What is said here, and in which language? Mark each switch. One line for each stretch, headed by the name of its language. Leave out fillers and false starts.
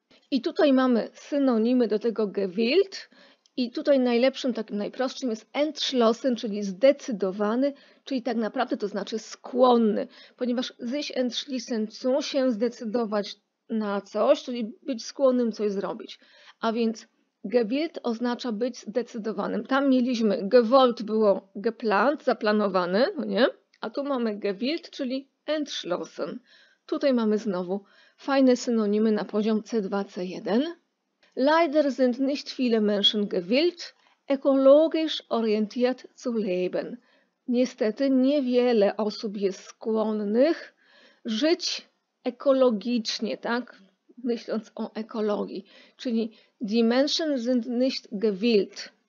Polish: I tutaj mamy synonimy do tego gewillt i tutaj najlepszym, takim najprostszym jest entschlossen, czyli zdecydowany, czyli tak naprawdę to znaczy skłonny, ponieważ
German: sich entschließen zu,
Polish: się zdecydować na coś, czyli być skłonnym coś zrobić. A więc gewillt oznacza być zdecydowanym. Tam mieliśmy gewollt, było geplant, zaplanowany, no nie? A tu mamy gewillt, czyli entschlossen. Tutaj mamy znowu fajne synonimy na poziom C2, C1.
German: Leider sind nicht viele Menschen gewillt, ökologisch orientiert zu leben.
Polish: Niestety niewiele osób jest skłonnych żyć ekologicznie, tak? Myśląc o ekologii, czyli
German: die Menschen sind nicht gewillt.